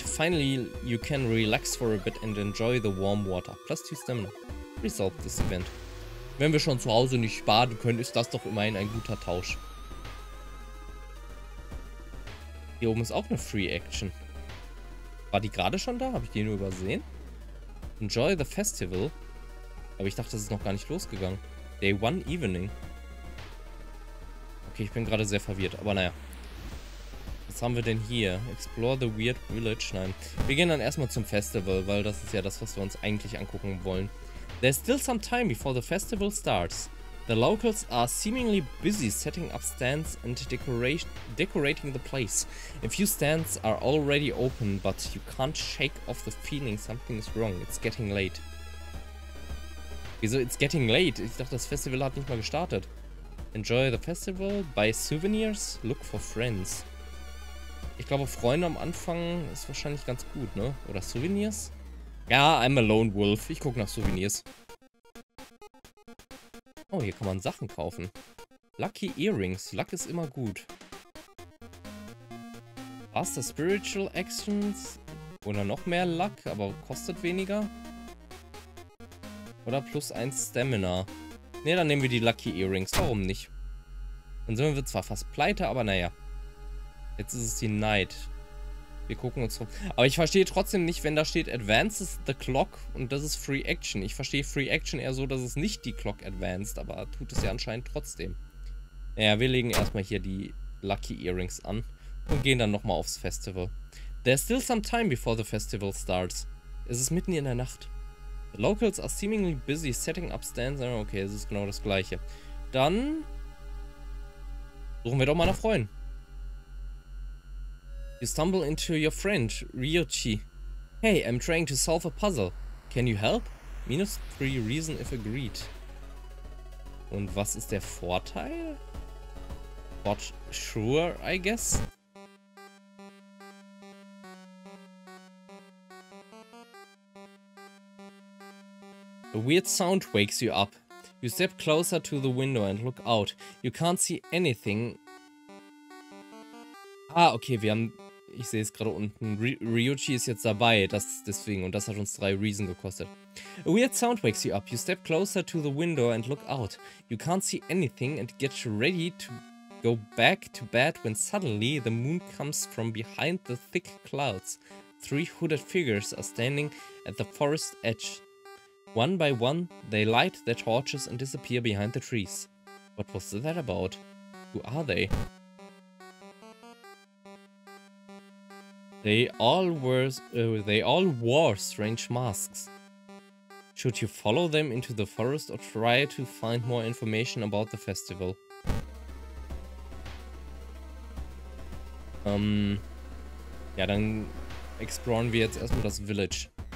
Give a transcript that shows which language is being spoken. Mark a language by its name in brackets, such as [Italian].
[English] Finally, you can relax for a bit and enjoy the warm water. Plus 2 Stamina. Resolve this event. [German] Wenn wir schon zu Hause nicht baden können, ist das doch immerhin ein guter Tausch. Hier oben ist auch eine Free Action. War die gerade schon da? Habe ich die nur übersehen? [English] Enjoy the festival. [German] Aber ich dachte, das ist noch gar nicht losgegangen. [English] Day 1 Evening. [German] Okay, ich bin gerade sehr verwirrt, aber naja. Was haben wir denn hier? [English] Explore the weird village? [German] Nein. Wir gehen dann erstmal zum Festival, weil das ist ja das, was wir uns eigentlich angucken wollen. [English] There's still some time before the festival starts. The locals are seemingly busy setting up stands and decorating the place. A few stands are already open, but you can't shake off the feeling something is wrong. It's getting late. Wieso it's getting late? [German] Ich dachte, das Festival hat nicht mal gestartet. [English] Enjoy the festival, buy souvenirs, look for friends. [German] Ich glaube, Freunde am Anfang ist wahrscheinlich ganz gut, ne? Oder Souvenirs? Ja, [English] I'm a lone wolf. [German] Ich gucke nach Souvenirs. Oh, hier kann man Sachen kaufen. Lucky Earrings. Luck ist immer gut. [English] Faster Spiritual Actions. [German] Oder noch mehr Luck, aber kostet weniger. Oder plus 1 Stamina. Ne, dann nehmen wir die Lucky Earrings. Warum nicht? Dann sind wir zwar fast pleite, aber naja. Jetzt ist es die Night. Wir gucken uns rum. Aber ich verstehe trotzdem nicht, wenn da steht [English] Advances the Clock [German] und das ist Free Action. Ich verstehe Free Action eher so, dass es nicht die Clock advanced, aber tut es ja anscheinend trotzdem. Naja, wir legen erstmal hier die Lucky Earrings an und gehen dann nochmal aufs Festival. [English] There's still some time before the festival starts. [German] Es ist mitten in der Nacht. [English] The locals are seemingly busy setting up stands. [German] Okay, es ist genau das gleiche. Dann suchen wir doch mal nach Freunden. [English] You stumble into your friend, Ryuchi. Hey, I'm trying to solve a puzzle. Can you help? Minus 3 reason if agreed. [German] Und was ist der Vorteil? [English] But sure, I guess. A weird sound wakes you up. You step closer to the window and look out. You can't see anything. [German] Ah, okay, wir haben... Ich sehe es gerade unten. Ryuchi ist jetzt dabei, das deswegen. Und das hat uns 3 Reason gekostet. [English] A weird sound wakes you up. You step closer to the window and look out. You can't see anything and get ready to go back to bed when suddenly the moon comes from behind the thick clouds. 3 hooded figures are standing at the forest edge. One by one, they light their torches and disappear behind the trees. What was that about? Who are they? They all wore strange masks. Should you follow them into the forest or try to find more information about the festival? [German] Ja, dann exploren wir jetzt erstmal das Village.